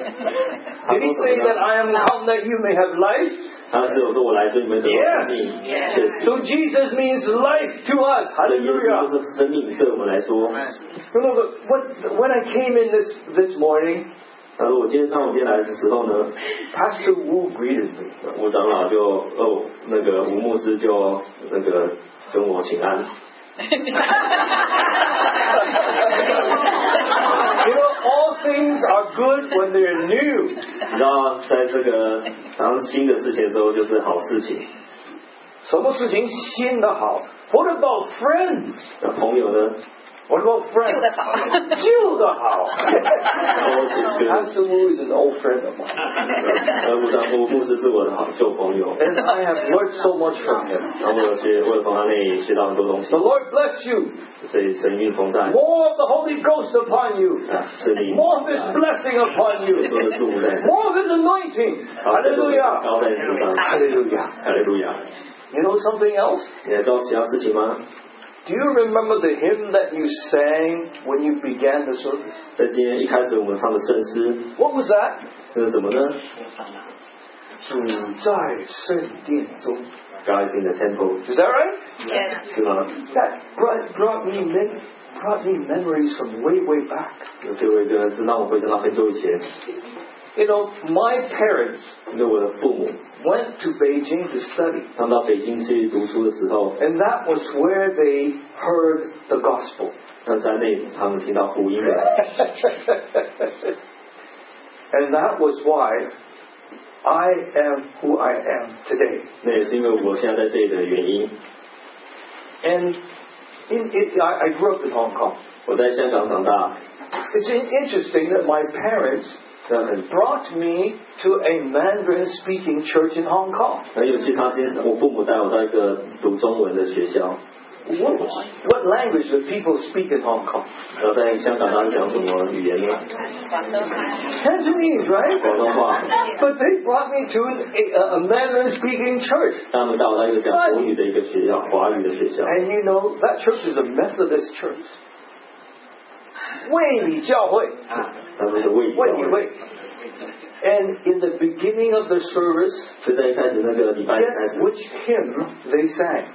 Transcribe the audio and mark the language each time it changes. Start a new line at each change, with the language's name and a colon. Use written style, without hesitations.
English: Did he say that I am come that you may have life? Yes. So Jesus means life to us. Hallelujah. When I came in this morning, Pastor Wu greeted me.
Chinese: 吴长老就哦，那个吴牧师就那个跟我请安。
English: You know, all things are good when they're new.
Chinese: 你知道，在这个当新的事情的时候，就是好事情。什么事情新的好 ？
English: What about friends?
Chinese: 那朋友呢
English: ？What about friends?
Chinese: 旧的好，旧的好。
English: Pastor Wu is an old friend of mine.
Chinese: 吴丹峰牧师是我的好旧朋友。
English: And I have learned so much from him.
Chinese: 然后我从他那里学到很多东西。
English: The Lord bless you. More of the Holy Ghost upon you. More of His blessing upon you. More of His anointing. Hallelujah. Hallelujah. You know something else?
Chinese: 你还知道其他事情吗？
English: Do you remember the hymn that you sang when you began the service?
Chinese: 在今天一开始我们唱的圣诗。
English: What was that?
Chinese: 这是什么呢？主在圣殿中。
English: Guys in the temple. Is that right? Yes. That brought me memories from way back. You know, my parents went to Beijing to study. And that was where they heard the gospel. And that was why I am who I am today.
Chinese: 那也是因为我现在在这里的原因。
English: And I grew up in Hong Kong.
Chinese: 我在香港长大。
English: It's interesting that my parents brought me to a Mandarin speaking church in Hong Kong.
Chinese: 很有趣，他先，我父母带我到一个读中文的学校。
English: What language do people speak in Hong Kong?
Chinese: 在香港他们讲什么语言呢？
English: Cantonese, right?
Chinese: 广东话。
English: But they brought me to a Mandarin speaking church.
Chinese: 他们到了一个讲国语的一个学校，华语的学校。
English: And you know that church is a Methodist church.
Chinese: 卫理教会。他们是卫理教会。
English: And in the beginning of the service, guess which hymn they sang?